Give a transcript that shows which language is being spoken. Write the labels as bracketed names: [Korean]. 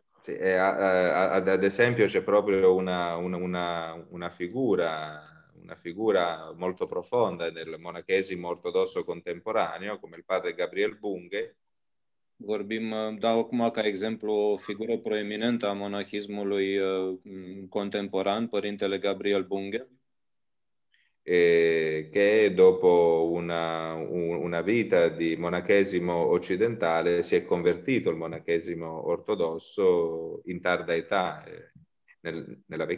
[Italian] Sì, ad esempio c'è proprio una figura molto profonda nel monachesimo ortodosso contemporaneo, come il padre Gabriel Bunghe. [Romanian] Vorbim, dau acum ca exemplu o figură proeminentă a monahismului contemporan, Părintele Gabriel Bunghe. [Italian] Che dopo una vita di monachesimo occidentale si è convertito al monachesimo ortodosso in tarda età, nella